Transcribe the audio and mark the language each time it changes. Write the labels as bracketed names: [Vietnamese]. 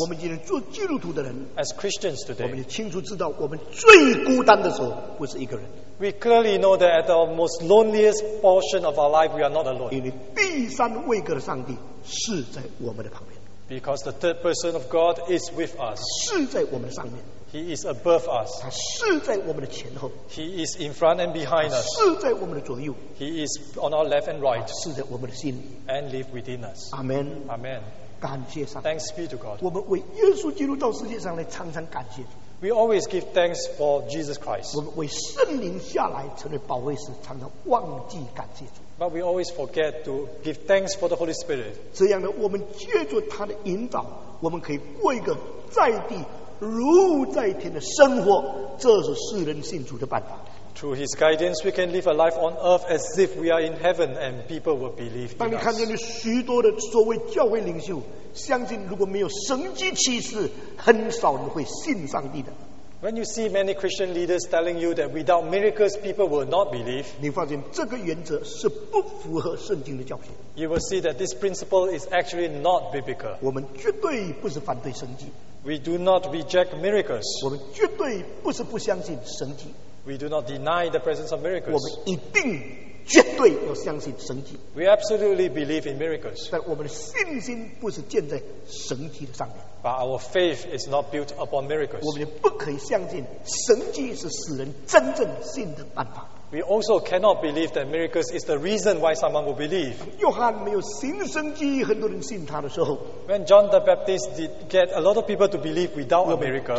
[Chinese] 我们今天做基督徒的人, [English] as Christians today, [Chinese] 我们清楚知道我们最孤单的时候不是一个人。 [English] We clearly know that at the most loneliest portion of our life, we are not alone. [Chinese] 因为第三位格的上帝是在我们的旁边。 [English] Because the third person of God is with us. [Chinese] 是在我们的上面。 [English] He is above us. [Chinese] 他是在我们的前后。 [English] He is in front and behind us. [Chinese] 是在我们的左右。 [English] He is on our left and right. [Chinese] 他是在我们的心里。 [English] And live within us. Amen. Amen. [Chinese] 感谢上帝。 [English] Thanks be to God. [Chinese] 我们为耶稣基督到世界上来常常感谢主。 [English] We always give thanks for Jesus Christ. [Chinese] 我们为圣灵下来成为保惠师，常常忘记感谢主。 [English] But we always forget to give thanks for the Holy Spirit. [Chinese] 这样呢，我们借着他的引导，我们可以过一个在地如在天的生活，这是世人信主的办法。 [English] Through His guidance, we can live a life on earth as if we are in heaven, and people will believe in us. [Chinese] 当你看见许多的所谓教会领袖。相信如果没有神迹奇事，很少人会信上帝的。 [English] When you see many Christian leaders telling you that without miracles people will not believe, [Chinese] 你发现这个原则是不符合圣经的教训。 [English] You will see that this principle is actually not biblical. [Chinese] 我们绝对不是反对神迹。 [English] We do not reject miracles. [Chinese] 我们绝对不是不相信神迹。 [English] We do not deny the presence of miracles. [Chinese] 我们一定 绝对要相信神迹。 [English] We absolutely believe in miracles. [Chinese] 但我们的信心不是建在神迹的上面。 [English] But our faith is not built upon miracles. [Chinese] 我们也不可以相信神迹是使人真正信的办法。 [English] We also cannot believe that miracles is the reason why someone will believe. [Chinese] 约翰没有行神迹，很多人信他的时候。 [English] When John the Baptist did get a lot of people to believe without a miracle.